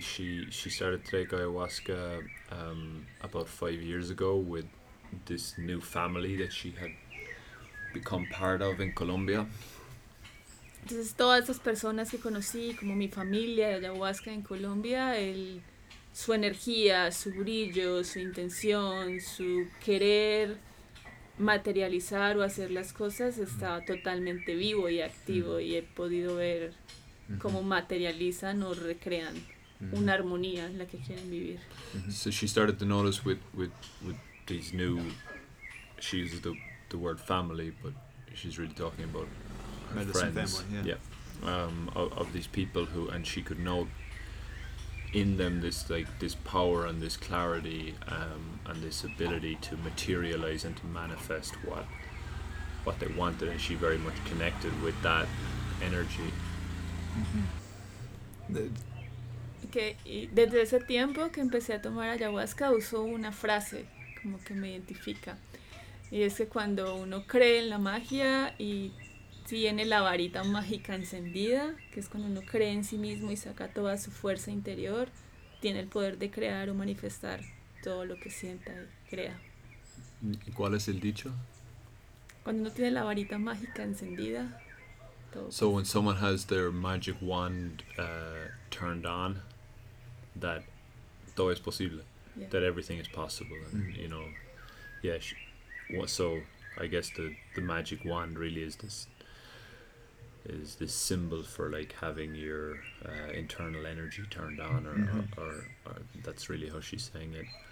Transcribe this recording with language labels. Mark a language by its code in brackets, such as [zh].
[en] She started taking ayahuasca about 5 years ago with this new family that she had become part of in Colombia. [es] Entonces todas esas personas que conocí, como mi familia de ayahuasca en Colombia, su energía, su brillo, su intención, su querer materializar o hacer las cosas, estaba totalmente vivo y activo, y he podido ver cómo materializan o recrean una armonía en la que quieren vivir. [en] So she started to notice with these new, she uses the word family, but she's really talking about medicine, friends, family, yeah. Of these people who, and she could know in them this like this power and this clarity and this ability to materialize and to manifest what they wanted, and she very much connected with that energy. [es] Que desde ese tiempo que empecé a tomar ayahuasca usó una frase como que me identifica, y es que cuando uno cree en la magia y tiene la varita mágica encendida, que es cuando uno cree en sí mismo y saca toda su fuerza interior, tiene el poder de crear o manifestar todo lo que sienta y crea. ¿Y cuál es el dicho? Cuando uno tiene la varita mágica encendida, todo. [en] So when someone has their magic wand turned on, that [es] todo es posible, [en] yeah. That everything is possible, and you know, yeah. So I guess the magic wand really is this symbol for like having your internal energy turned on, or that's really how she's saying it.